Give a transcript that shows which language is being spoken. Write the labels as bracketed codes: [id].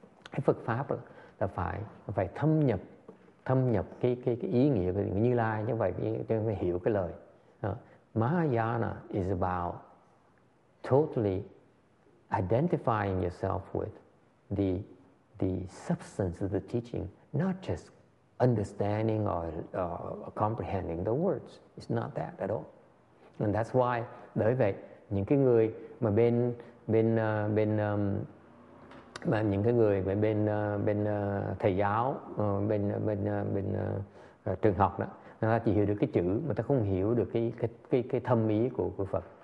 [vi] Cái Phật pháp là phải thâm nhập cái ý nghĩa của Như Lai như vậy để mới hiểu cái lời. [en] Mahayana is about totally identifying yourself with the substance of the teaching, not just understanding or comprehending the words. It's not that at all. And that's why, [vi] bởi vậy, những cái người mà bên thầy giáo, bên trường học đó, người ta chỉ hiểu được cái chữ mà ta không hiểu được cái thâm ý của Phật.